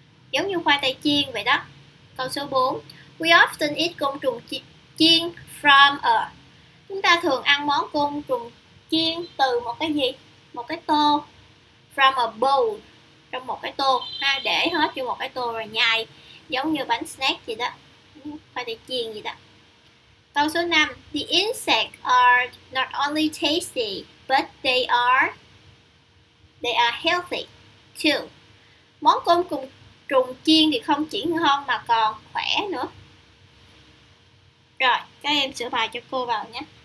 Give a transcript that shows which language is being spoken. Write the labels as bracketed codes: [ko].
[vi] Giống như khoai tây chiên vậy đó. Câu số 4. [en] We often eat [vi] côn trùng chiên [en] from a. [vi] Chúng ta thường ăn món côn trùng chiên từ một cái gì? Một cái tô. [en] From a bowl. [vi] Trong một cái tô. Ha, để hết vô một cái tô rồi nhai. Giống như bánh snack gì đó. Khoai tây chiên gì đó. Câu số 5. [en] The insects are not only tasty, but they are healthy too. [vi] Món côn trùng chiên thì không chỉ ngon mà còn khỏe nữa. Rồi, các em sửa bài cho cô vào nhé.